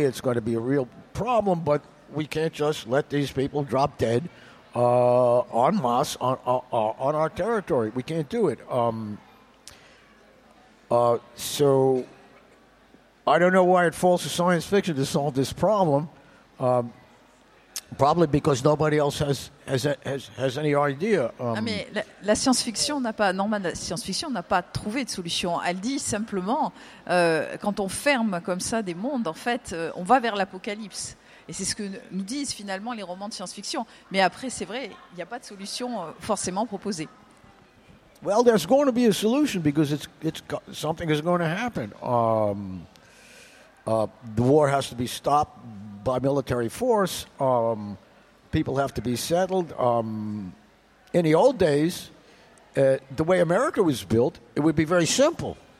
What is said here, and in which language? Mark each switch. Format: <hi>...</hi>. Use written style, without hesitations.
<en>It's going to be a real problem, but we can't just let these people drop dead en masse on our territory. We can't do it. So I don't know why it falls to science fiction to solve this problem, probably because nobody else has any idea.</en> <fr>Mais la science-fiction n'a pas, normalement, la science-fiction n'a pas trouvé de solution. Elle dit simplement, quand on ferme comme ça des mondes, en fait, on va vers l'apocalypse. Et c'est ce que nous disent finalement les romans de science-fiction. Mais après, c'est vrai, il n'y a pas de solution forcément proposée.</fr> <en>Well, there's going to be a solution because something is going to happen. The war has to be stopped by military force. People have to be settled. In the old days, the way America was built, it would be very simple.</en>